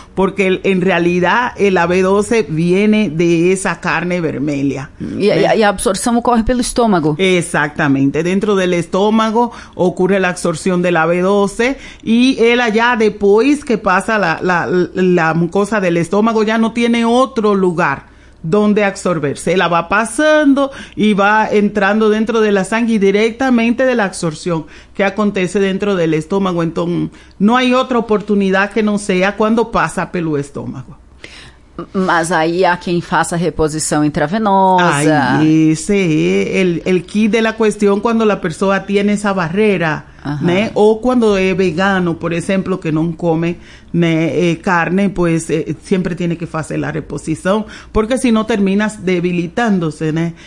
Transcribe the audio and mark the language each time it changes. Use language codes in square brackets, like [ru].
[pt] Porque, em realidade, a B12 vem de essa carne vermelha. E a absorção ocorre pelo estômago. Exatamente. Dentro do estômago ocorre a absorção da B12 e ela já, depois que passa a mucosa do estômago, já não tem outro lugar [es] donde absorberse. Ela va pasando y va entrando dentro de la sangre y directamente de la absorción que acontece dentro del estómago. Entonces, no hay otra oportunidad que no sea cuando pasa pelo estómago. [pt] Mas aí há quem faça reposição intravenosa. Ah, esse é el key de la cuestión quando a pessoa tem essa barreira, né? Ou quando é vegano, por exemplo, que não come, né, carne, pues sempre tem que fazer a reposição, porque senão terminas debilitando-se, né?